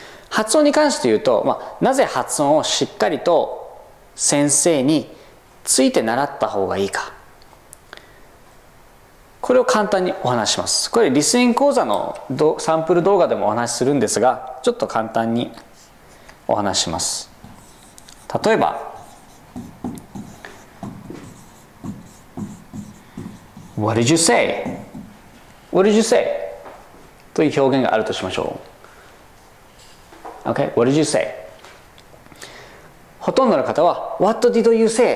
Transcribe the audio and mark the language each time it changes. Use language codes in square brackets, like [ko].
[ja] 発音に関して言うと、まあ、なぜ発音をしっかりと先生について習った方がいいか、これを簡単にお話します。これリスニング講座のサンプル動画でもお話しするんですが、ちょっと簡単にお話します。例えば [en] What did you say? What did you say? [ja] という表現があるとしましょう。 [en] OK? What did you say? [ja] ほとんどの方は [en] What did you say?